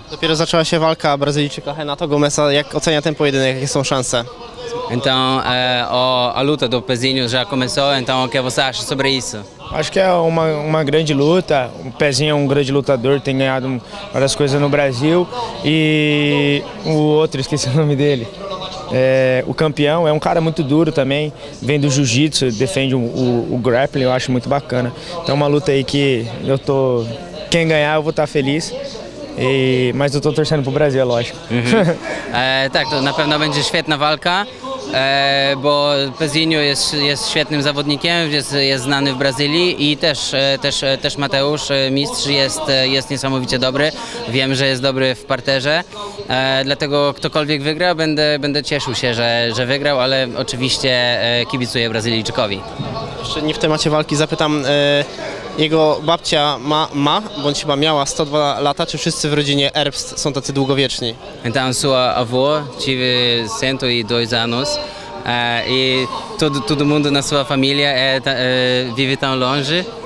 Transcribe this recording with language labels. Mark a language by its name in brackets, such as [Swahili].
[Polish] Dopiero zaczęła się walka Brazylijczyka Renato Gomesa. Jak ocenia ten pojedynek? Jakie są szanse? [Portuguese] Então, o a luta do Pezinho já começou, então o que você acha sobre isso? Acho que é uma grande luta, o Pezinho é um grande lutador, tem ganhado várias coisas no Brasil e o outro, esqueci o nome dele, o campeão é um cara muito duro também, vem do jiu-jitsu, defende o grappling, eu acho muito bacana. Então é uma luta aí que eu tô, quem ganhar eu vou estar feliz. Mas eu tô torcendo pro Brasil, lógico. [Polish] Tak, to na pewno będzie świetna walka, bo Pezinho jest świetnym zawodnikiem, jest znany w Brazylii i też Mateusz, mistrz, jest niesamowicie dobry. Wiem, że jest dobry w parterze, dlatego ktokolwiek wygra, będę cieszył się, że wygrał, ale oczywiście kibicuję Brazylijczykowi. Jeszcze nie w temacie walki zapytam. Jego babcia ma bądź chyba miała 102 lata. Czy wszyscy w rodzinie Herbst są tacy długowieczni? [Portuguese] Então sua avó tive 102 anos e todo mundo na sua família vive tão longe.